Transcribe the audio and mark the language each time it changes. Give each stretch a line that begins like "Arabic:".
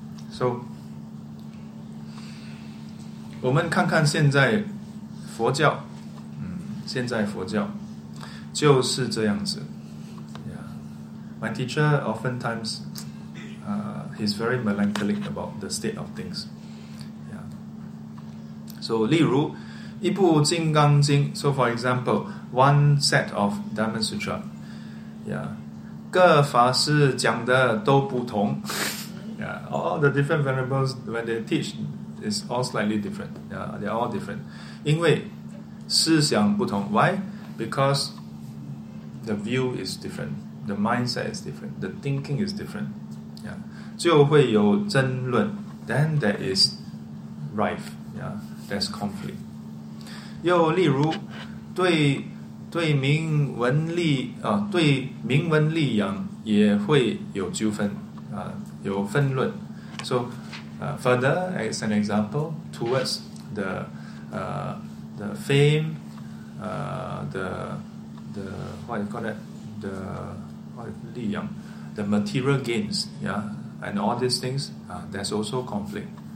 Chinese: So, 我们看看现在佛教, 现在佛教, 就是这样子.
English: Yeah. My teacher oftentimes, he's very melancholic about the state of things. Yeah. So,
Chinese: 例如, 一部金刚经,
English: so for example, one set of Dhamma Sutra, yeah,
Chinese: 各法师讲的都不同.
English: Yeah, all the different venerables, when they teach, is all slightly different. Yeah, they're all different.
Chinese: 因为思想不同.
English: Why? Because the view is different. The mindset is different. The thinking is different. Yeah.
Chinese: 就会有争论.
English: Then there is rife. Yeah, there's conflict.
Chinese: 又例如, 对名文利养也会有纠纷,有纷论.
English: So, further, as an example, towards the fame, the what you call that, the li yang, the material gains, yeah, and all these things, there's also conflict.